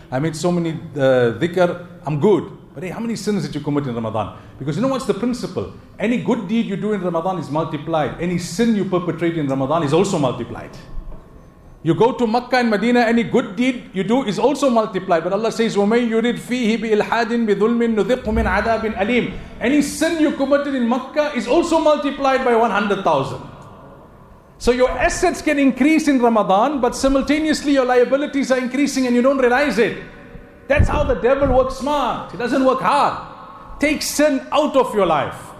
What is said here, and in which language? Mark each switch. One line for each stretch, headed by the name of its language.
English: I made so many dhikr. I'm good. But hey, how many sins did you commit in Ramadan? Because you know what's the principle? Any good deed you do in Ramadan is multiplied. Any sin you perpetrate in Ramadan is also multiplied. You go to Makkah and Medina, any good deed you do is also multiplied. But Allah says,
Arabic: وَمَنْ يُرِدْ فِيهِ بِإِلْحَادٍ بِذُلْمٍ نُذِقْهُ مِنْ عَذَابٍ أَلِيمٍ.
English: Any sin you committed in Makkah is also multiplied by 100,000. So your assets can increase in Ramadan, but simultaneously your liabilities are increasing and you don't realize it. That's how the devil works smart. He doesn't work hard. Take sin out of your life.